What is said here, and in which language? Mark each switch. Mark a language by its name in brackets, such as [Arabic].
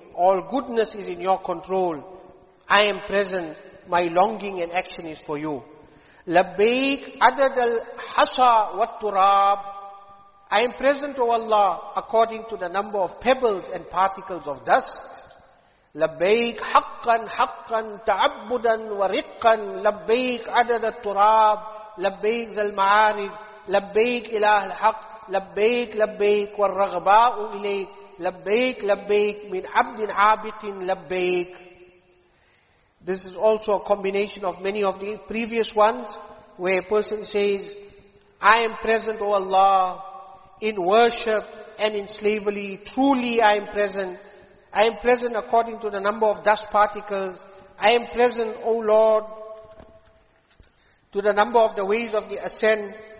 [English] All goodness is in your control. I am present, my longing and action is for you. [Arabic] لبيك عدد الحصى والتراب. [English] I am present, O Allah, according to the number of pebbles and particles of dust. [Arabic] لبيك حقا حقا تعبدا ورقا لبيك عدد التراب لبيك ذا المعارف لبيك إله الحق لبيك لبيك والرغباء إليك لبيك لبيك من عبد عابق لبيك. [English] This is also a combination of many of the previous ones where a person says, I am present, O Allah, in worship and in slavery, truly I am present. I am present according to the number of dust particles. I am present, O Lord, to the number of the ways of the ascent.